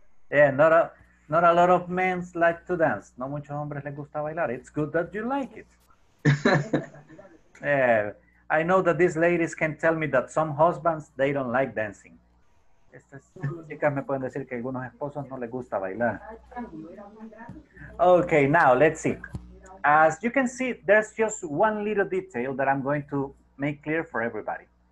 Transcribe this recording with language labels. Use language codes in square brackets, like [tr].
[en] Yeah, not a lot of men like to dance. [es] No muchos hombres les gusta bailar. [en] It's good that you like it. Yeah, I know that these ladies can tell me that some husbands they don't like dancing. [es] Estas chicas me pueden decir que algunos esposos no les gusta bailar. [en] Okay, now let's see. As you can see, there's just one little detail that I'm going to make clear for everybody.